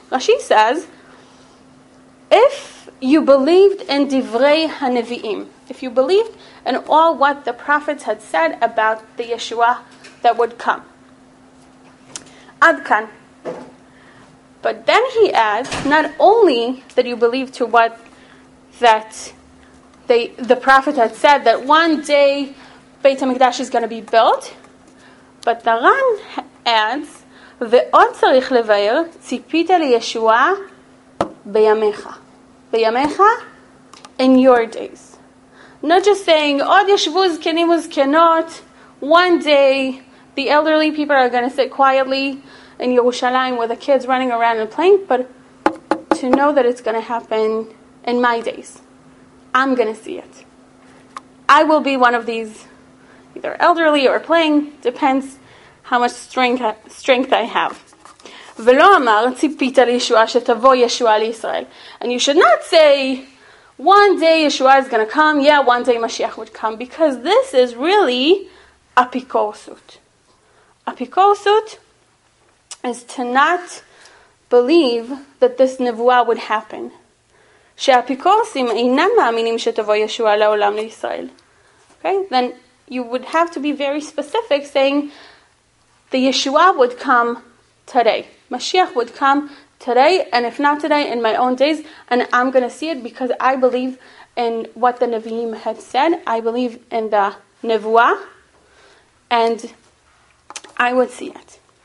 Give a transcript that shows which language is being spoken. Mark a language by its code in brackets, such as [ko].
[en] Rashi says, if you believed in Divrei HaNevi'im, if you believed in all what the prophets had said about the Yeshua that would come. Adkan. But then he adds, not only that you believed to what that the prophet had said that one day Beit HaMikdash is going to be built. But the Ran adds, [he] ועוד צריך לבאר, ציפית לישועה בימיך. [en] בימיך, in your days. Not just saying, [he] עוד ישבו זקנים וזקנות, [en] one day the elderly people are going to sit quietly in Yerushalayim with the kids running around and playing, but to know that it's going to happen in my days. I'm going to see it. I will be one of these, either elderly or playing, depends how much strength I have. [he] ולא אמר, ציפית לישוע שתבוא ישוע לישראל. [en] And you should not say, one day Yeshua is going to come, yeah, one day Mashiach would come, because this is really apikorsut. Apikorsut is to not believe that this nevuah would happen. [he] שהאפיקורסים אינם מאמינים שתבוא ישוע לעולם לישראל. [en] Okay, then you would have to be very specific saying, the Yeshua would come today. Mashiach would come today, and if not today, in my own days, and I'm going to see it because I believe in what the Nevi'im had said. I believe in the Nevuah, and I would see it.